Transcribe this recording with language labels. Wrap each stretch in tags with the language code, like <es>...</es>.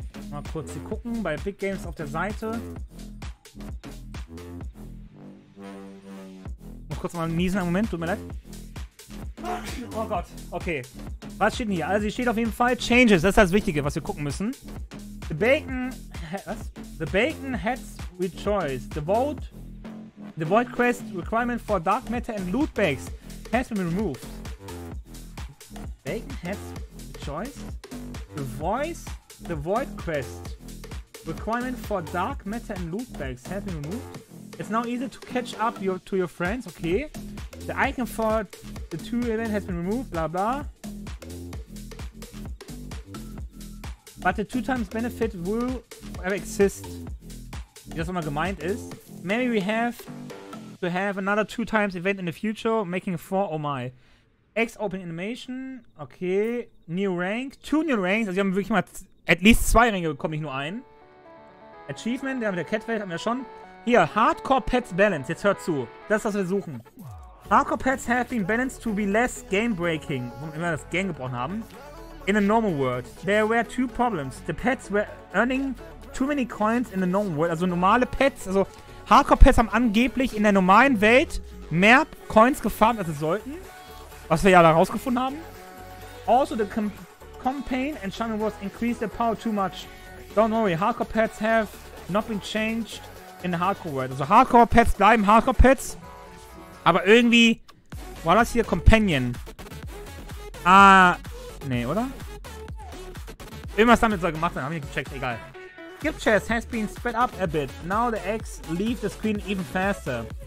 <de>Mal kurz hier gucken bei Big Games auf der Seite. Muss kurz mal niesen, einen Moment, tut mir leid. Oh Gott, okay. Was steht denn hier? Also hier steht auf jeden Fall Changes. Das ist das Wichtige, was wir gucken müssen.</de> <en>The Bacon... Was? The Bacon Heads Rejoice. The Void Quest Requirement for Dark Matter and Loot Bags has been removed. Bacon Heads Rejoice? The Void Quest Requirement for Dark Matter and Loot Bags has been removed. It's now easy to catch up to your friends. Okay. The Icon for... The 2-Event has been removed, bla bla. But the 2x benefit will forever exist. Wie das immer gemeint ist. Maybe we have to have another 2x event in the future, making 4, oh my. X open animation, okay.</en> <de>New rank, 2 new ranks, also wir haben wirklich mal at least 2 Ränge bekommen, nicht nur einen. Achievement, der mit der Catfeld haben wir schon. Hier, Hardcore Pets Balance. Jetzt hört zu. Das ist, was wir suchen.</de> <en>Hardcore Pets have been balanced to be less game-breaking. Wenn wir das Game gebrochen haben. In a normal world, there were two problems. The Pets were earning too many coins in the normal world.</en> <de>Also normale Pets, also Hardcore Pets haben angeblich in der normalen Welt mehr Coins gefarmt, als sie sollten. Was wir ja da rausgefunden haben.</de> <en>Also the campaign and Enchantment Wars increased their power too much. Don't worry, Hardcore Pets have not been changed in the Hardcore World.</en> <de>Also Hardcore Pets bleiben Hardcore Pets. Aber irgendwie war das hier Companion. Nee, oder? Irgendwas damit soll gemacht sein, hab ich nicht gecheckt, egal.</de> <en>Skip Chess has been sped up a bit. Now the eggs leave the screen even faster.</en>